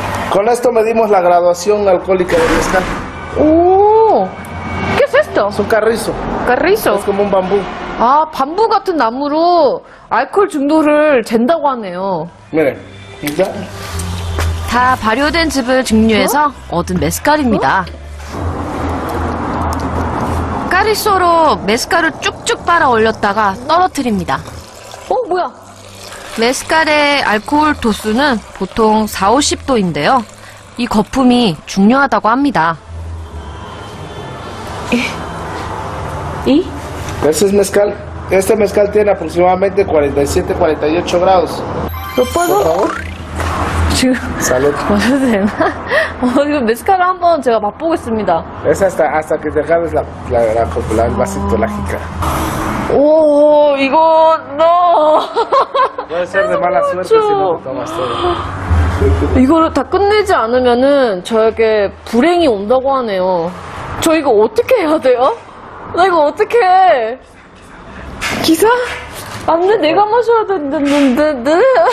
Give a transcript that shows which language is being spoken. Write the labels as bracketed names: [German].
[Spanish] con esto medimos la graduación alcohólica del mezcal. ¿Qué es esto? Es un carrizo. ¿Carrizo? Es como un bambú. [Korean] Ah, 밤부 같은 나무로 알코올 중도를 잰다고 하네요. 네. 자. 다 발효된 즙을 증류해서 얻은 메스칼입니다. 카리소로 메스칼을 쭉쭉 빨아 올렸다가 떨어뜨립니다. 어, 뭐야? 메스칼의 알코올 도수는 보통 4-50도인데요. 이 거품이 중요하다고 합니다. 이? [Spanish] Este es mezcal. Este mezcal tiene aproximadamente 47-48 grados. ¿Lo puedo? Por favor. [Korean] 지금 [Spanish] Salud. [Korean] 마셔도 되나? 어, 이거 메스칼을 한번 제가 맛보겠습니다. [Spanish] Es hasta que dejades la popular vasito la jica. [Korean] 오, 이거 [Spanish] no. Puede ser de mala suerte si no tomas todo. [Korean] 이거를 다 끝내지 않으면은 저에게 불행이 온다고 하네요. 저 이거 어떻게 해야 돼요? 나 이거 어떻게 해? 기사? 안 돼, 내가 마셔야 되는데.